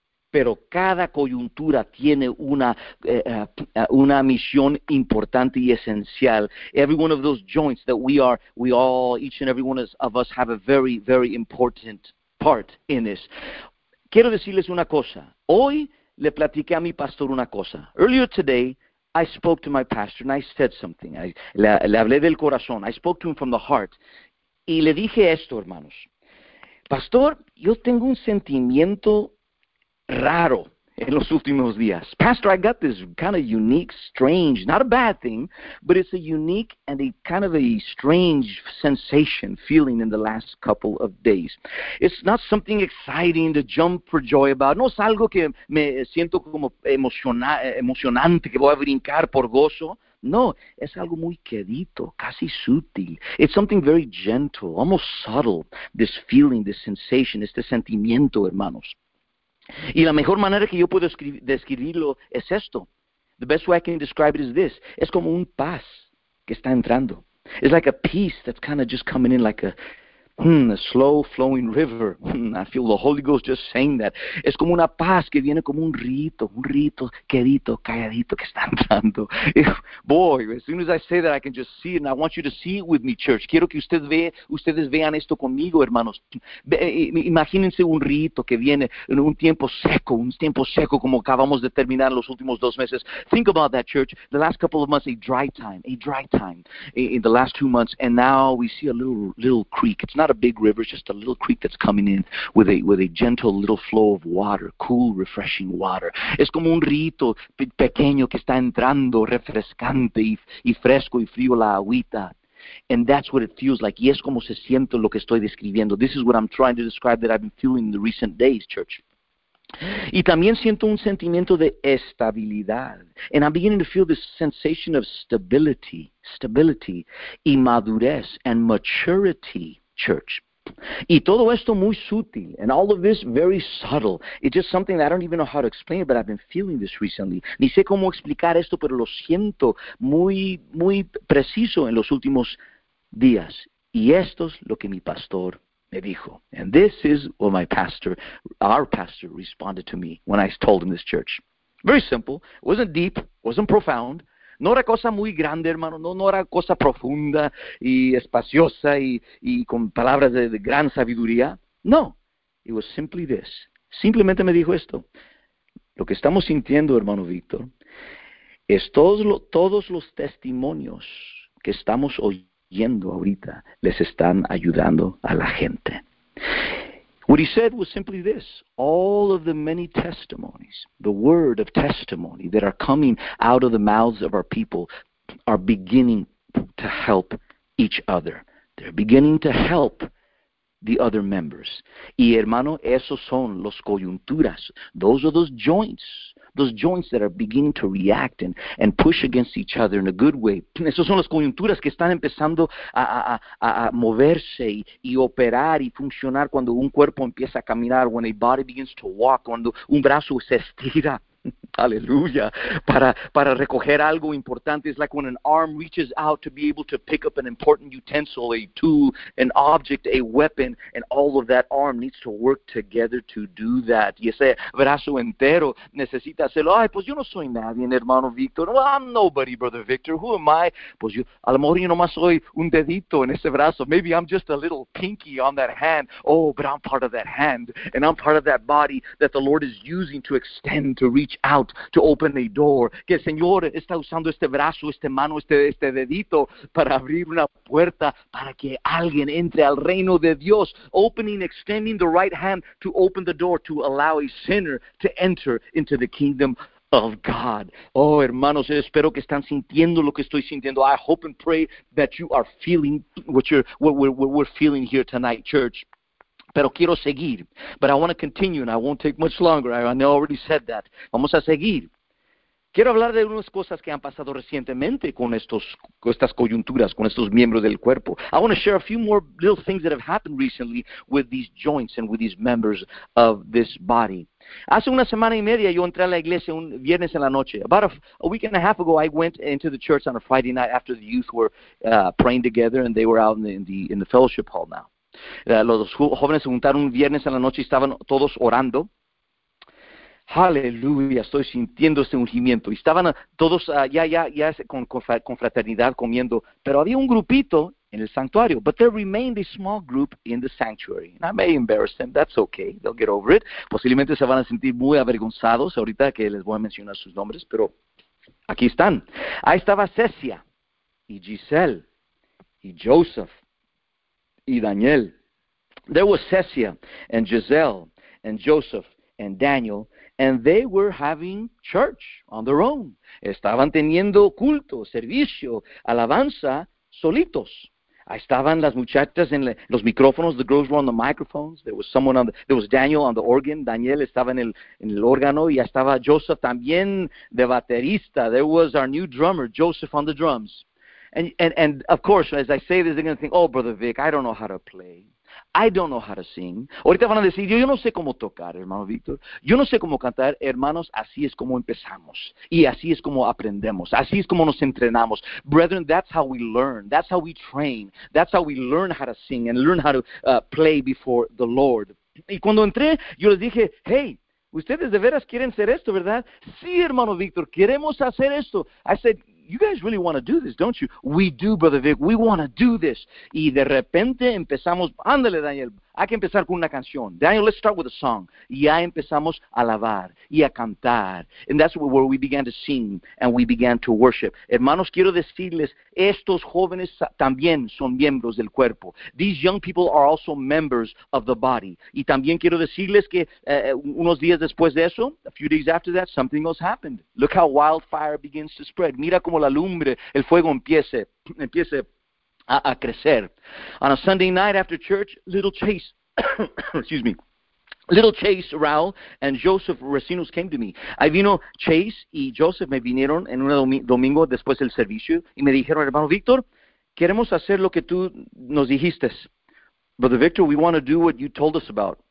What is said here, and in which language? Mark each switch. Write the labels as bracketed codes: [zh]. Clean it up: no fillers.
[es] Pero cada coyuntura tiene una misión importante y esencial. [en] Every one of those joints that each and every one of us have a very, very important part in this. [es] Quiero decirles una cosa. Hoy le platiqué a mi pastor una cosa. [en] Earlier today, I spoke to my pastor and I said something. [es] Le hablé del corazón. [en] I spoke to him from the heart. [es] Y le dije esto, hermanos. Pastor, yo tengo un sentimiento raro en los últimos días. [en] Pastor, I got this kind of unique, strange, not a bad thing, but it's a unique and a kind of a strange sensation, feeling in the last couple of days. It's not something exciting to jump for joy about. [es] No es algo que me siento como emocionante, que voy a brincar por gozo. No, es algo muy quedito, casi sutil. [en] It's something very gentle, almost subtle, this feeling, this sensation, [es] este sentimiento, hermanos. Y la mejor manera que yo puedo describirlo es esto. [en] The best way I can describe it is this. [es] Es como un paz que está entrando. [en] It's like a peace that's kind of just coming in like a slow flowing river. I feel the Holy Ghost just saying that. [es] Es como una paz que viene como un rito, quedito, calladito que está entrando. [en] Boy, as soon as I say that, I can just see it. And I want you to see it with me, church. [es] Quiero que ustedes vean esto conmigo, hermanos. Imagínense un rito que viene en un tiempo seco, como acabamos de terminar los últimos dos meses. [en] Think about that, church. The last couple of months, a dry time in the last 2 months. And now we see a little creek. It's not a big river, it's just a little creek that's coming in with a gentle little flow of water, cool, refreshing water. [es] Es como un rito pequeño que está entrando, refrescante y fresco y frío la agüita. [en] And that's what it feels like. [es] Y es como se siente lo que estoy describiendo. [en] This is what I'm trying to describe that I've been feeling in the recent days, church. [es] Y también siento un sentimiento de estabilidad. [en] And I'm beginning to feel this sensation of stability, [es] y madurez, [en] and maturity, church. [es] Y todo esto muy sutil, [en] and all of this very subtle. It's just something that I don't even know how to explain, but I've been feeling this recently. [es] Ni sé cómo explicar esto, pero lo siento muy, muy preciso en los últimos días. Y esto es lo que mi pastor me dijo. [en] And this is what our pastor responded to me when I told him this, church. Very simple. It wasn't deep. It wasn't profound. [es] No era cosa muy grande, hermano. No era cosa profunda y espaciosa y con palabras de gran sabiduría. No. [en] It was simply this. [es] Simplemente me dijo esto. Lo que estamos sintiendo, hermano Víctor, es todos los testimonios que estamos oyendo ahorita les están ayudando a la gente. [en] What he said was simply this: all of the many testimonies, the word of testimony that are coming out of the mouths of our people are beginning to help each other. They're beginning to help the other members. [es] Y hermano, esos son los coyunturas. [en] Those are those joints that are beginning to react and push against each other in a good way. [es] Esas son las coyunturas que están empezando a moverse y operar y funcionar cuando un cuerpo empieza a caminar, [en] when a body begins to walk, [es] cuando un brazo se estira, aleluya, para recoger algo importante. [en] It's like when an arm reaches out to be able to pick up an important utensil, a tool, an object, a weapon, and all of that arm needs to work together to do that. [es] Y ese brazo entero necesita hacerlo. Ay, pues yo no soy nadie, hermano Victor. [en] Well, I'm nobody, brother Victor. Who am I? [es] Pues yo, a lo mejor yo nomás soy un dedito en ese brazo. [en] Maybe I'm just a little pinky on that hand. Oh, but I'm part of that hand, and I'm part of that body that the Lord is using to extend, to reach out, to open a door. [es] Que el Señor está usando este brazo, esta mano, este dedito para abrir una puerta para que alguien entre al reino de Dios. [en] Opening, extending the right hand to open the door to allow a sinner to enter into the kingdom of God. [es] Oh, hermanos, espero que están sintiendo lo que estoy sintiendo. [en] I hope and pray that you are feeling what we're feeling here tonight, church. [es] Pero quiero seguir. [en] But I want to continue, and I won't take much longer. I already said that. [es] Vamos a seguir. Quiero hablar de unas cosas que han pasado recientemente con estas coyunturas, con estos miembros del cuerpo. [en] I want to share a few more little things that have happened recently with these joints and with these members of this body. [es] Hace una semana y media yo entré a la iglesia un viernes en la noche. [en] About a week and a half ago, I went into the church on a Friday night after the youth were praying together and they were out in the fellowship hall now. [es] Los jóvenes se juntaron un viernes en la noche y estaban todos orando. Aleluya, estoy sintiendo ese ungimiento. Y estaban todos ya con fraternidad comiendo. Pero había un grupito en el santuario. [en] But there remained a small group in the sanctuary. And I may embarrass them, that's okay, they'll get over it. [es] Posiblemente se van a sentir muy avergonzados ahorita que les voy a mencionar sus nombres. Pero aquí están. Ahí estaba Cecia, y Giselle, y Joseph, y Daniel. [en] There was Cecia and Giselle and Joseph and Daniel, and they were having church on their own. [es] Estaban teniendo culto, servicio, alabanza, solitos. Ahí estaban las muchachas en los micrófonos. [en] The girls were on the microphones. There was someone on the. There was Daniel on the organ. [es] Daniel estaba en el órgano, y estaba Joseph también de baterista. [en] There was our new drummer, Joseph, on the drums. And of course, as I say this, they're going to think, oh, Brother Vic, I don't know how to play. I don't know how to sing. [es] Ahorita van a decir, yo no sé cómo tocar, hermano Víctor. Yo no sé cómo cantar. Hermanos, así es como empezamos. Y así es como aprendemos. Así es como nos entrenamos. [en] Brethren, that's how we learn. That's how we train. That's how we learn how to sing and learn how to play before the Lord. [es] Y cuando entré, yo les dije, hey, ustedes de veras quieren hacer esto, ¿verdad? Sí, hermano Víctor, queremos hacer esto. [en] I said, you guys really want to do this, don't you? We do, Brother Vic. We want to do this. [es] Y de repente empezamos, ándale, Daniel, hay que empezar con una canción. [en] Daniel, let's start with a song. [es] Y ya empezamos a alabar y a cantar. [en] And that's where we began to sing and we began to worship. [es] Hermanos, quiero decirles, estos jóvenes también son miembros del cuerpo. [en] These young people are also members of the body. [es] Y también quiero decirles que unos días después de eso, [en] a few days after that, something else happened. Look how wildfire begins to spread. [es] Mira cómo la lumbre, el fuego empieza a crecer. [en] On a Sunday night after church, little Chase, excuse me, Little Chase, Raúl, and Joseph Recinos came to me. [es] Ahí vino Chase y Joseph, me vinieron en un domingo después del servicio y me dijeron, hermano Víctor, queremos hacer lo que tú nos dijiste. [en] Brother Victor, we want to do what you told us about.